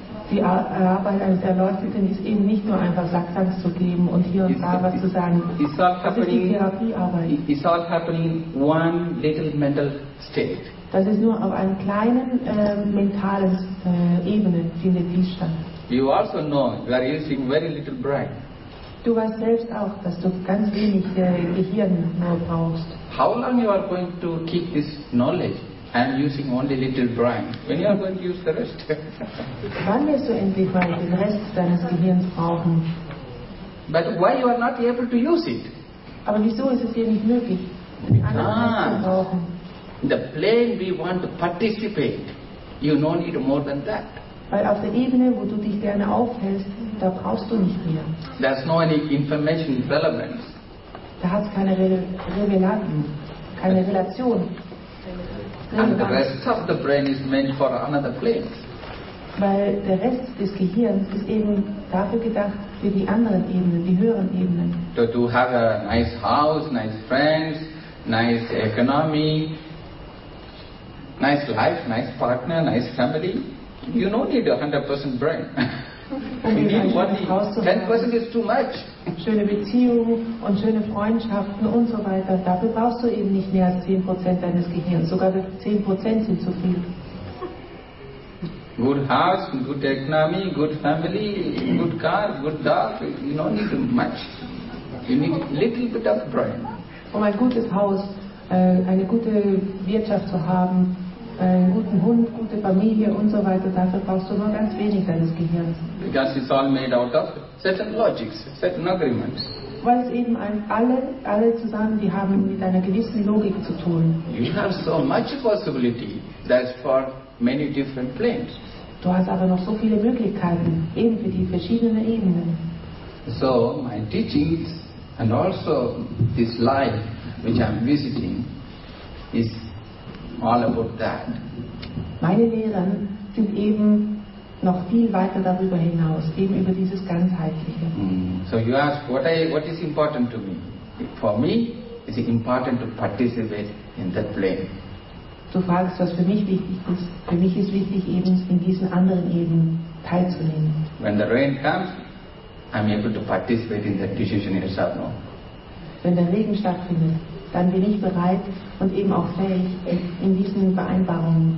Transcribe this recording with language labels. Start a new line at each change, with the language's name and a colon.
German: Die Arbeit eines Erleuchteten ist eben nicht nur einfach Satsangs zu geben und hier und da was zu sagen.
English: It's all happening,
German: das ist die Therapiearbeit.
English: It's all happening one little mental state.
German: Das ist nur auf einem kleinen mentalen Ebene findet dies statt.
English: You also know you are using very little brain.
German: Du weißt selbst auch, dass du ganz wenig Gehirn nur brauchst.
English: How long you are going to keep this knowledge and using only little brain? When you are going to use the rest?
German: Wann wirst du endlich mal den Rest deines Gehirns brauchen?
English: But why you are not able to use it?
German: Aber wieso ist es dir nicht möglich, den anderen Rest zu brauchen?
English: In the plane we want to participate, you no need more than that.
German: Weil auf der Ebene, wo du dich gerne aufhältst, da brauchst du nicht mehr.
English: There's no any information relevance.
German: Da hat es keine Relevanten, keine Relation.
English: And the rest of the brain is meant for another plane.
German: Weil der Rest des Gehirns ist eben dafür gedacht, für die anderen Ebenen, die höheren Ebenen.
English: To have a nice house, nice friends, nice economy, nice life, nice partner, nice family. You don't need 100% brain. You need only 10% is too much.
German: Schöne Beziehungen und schöne Freundschaften und so weiter. Dafür brauchst du eben nicht mehr als 10% deines Gehirns. Sogar 10% sind zu viel.
English: Good house, good economy, good family, good car, good dog. You don't need much. You need little bit of brain.
German: Um ein gutes Haus, eine gute Wirtschaft zu haben, einen guten Hund, gute Familie und so weiter, dafür brauchst du nur ganz wenig deines Gehirns.
English: Because it's all made out of certain logics, certain agreements.
German: Weil es eben alle zusammen, die haben mit einer gewissen Logik zu tun.
English: You have so much possibility, that's for many different planes.
German: Du hast aber noch so viele Möglichkeiten, eben für die verschiedenen Ebenen.
English: So, my teachings and also this life, which I'm visiting, is all about that.
German: Meine Lehren sind eben noch viel weiter darüber hinaus, eben über dieses Ganzheitliche. Mm.
English: So you ask, what is important to me? For me, it's important to participate in that plane.
German: Du fragst, was für mich wichtig ist. Für mich ist wichtig, eben in diesen anderen Ebenen teilzunehmen.
English: When the rain comes, I'm able to participate in that decision itself, no?
German: Wenn der Regen stattfindet, dann bin ich bereit und eben auch fähig, in diesen Vereinbarungen